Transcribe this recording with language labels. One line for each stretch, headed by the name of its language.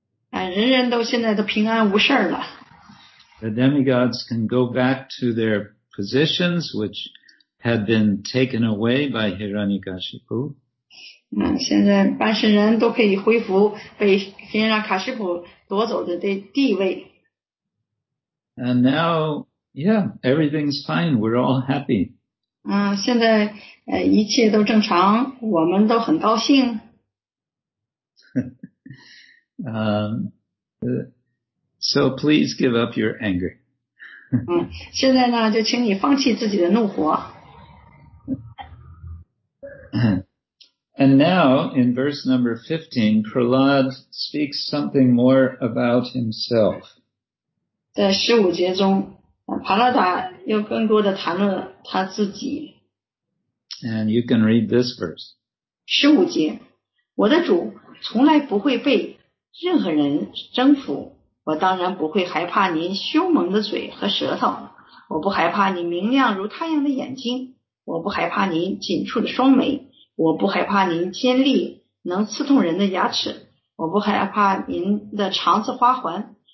Chinese: 人人都现在都平安无事了。
English: The demigods can go back to their positions which had been taken away by Hiranyakashipu.
Chinese: 现在半神人都可以恢复被 Hiranyakashipu 夺走的地位。
English: And now, yeah, everything's fine, we're all happy.
Chinese: 现在一切都正常，我们都很高兴。
English: So please give up your anger.
Chinese: 现在呢，就请你放弃自己的怒火。
English: And now, in verse number 15, Prahlad speaks something more about himself.
Chinese: 在十五节中，帕拉达又更多的谈论他自己。
English: And you can read this verse.
Chinese: 十五节，我的主从来不会被任何人征服，我当然不会害怕您凶猛的嘴和舌头，我不害怕您明亮如太阳的眼睛，我不害怕您紧蹙的双眉，我不害怕您尖利能刺痛人的牙齿，我不害怕您的长子花环，